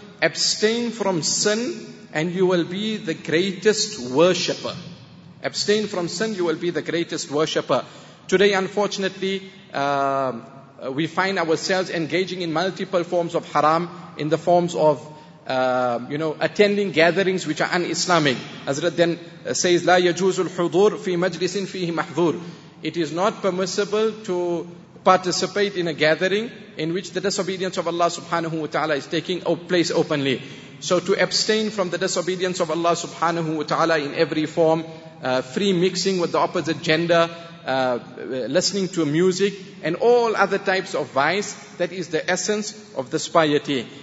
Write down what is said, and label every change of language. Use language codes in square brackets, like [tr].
[en] Abstain from sin and you will be the greatest worshipper. Abstain from sin, you will be the greatest worshipper. Today, unfortunately, we find ourselves engaging in multiple forms of haram in the forms of, attending gatherings which are un-Islamic. Hazrat then says, [ar] لا يجوز الحضور في مجلس فيه محذور. [en] It is not permissible to participate in a gathering in which the disobedience of Allah subhanahu wa ta'ala is taking place openly. So to abstain from the disobedience of Allah subhanahu wa ta'ala in every form, free mixing with the opposite gender, listening to music, and all other types of vice, that is the essence of this piety.